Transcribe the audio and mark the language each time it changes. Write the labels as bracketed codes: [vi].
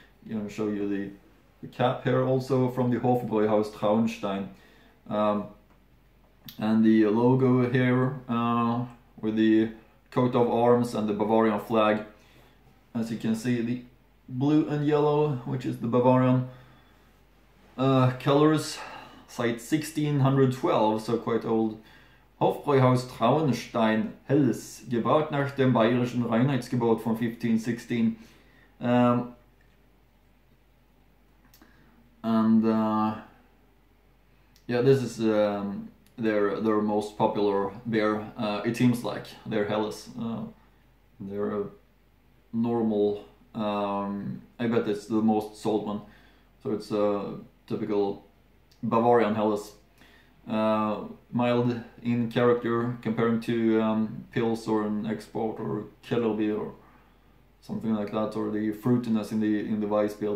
[en] You know, show you the cap here, also from the Hofbräuhaus Traunstein, and the logo here with the coat of arms and the Bavarian flag. As you can see, the blue and yellow, which is the Bavarian colors, site 1612, so quite old. [de] Hofbräuhaus Traunstein Helles, gebaut nach dem Bayerischen Reinheitsgebot von 1516. [en] And yeah, this is their most popular beer. It seems like their Helles, their normal. I bet it's the most sold one. So it's a typical Bavarian Helles, mild in character, comparing to Pils or an export or Kettle beer or something like that, or the fruitiness in the Weiss beer.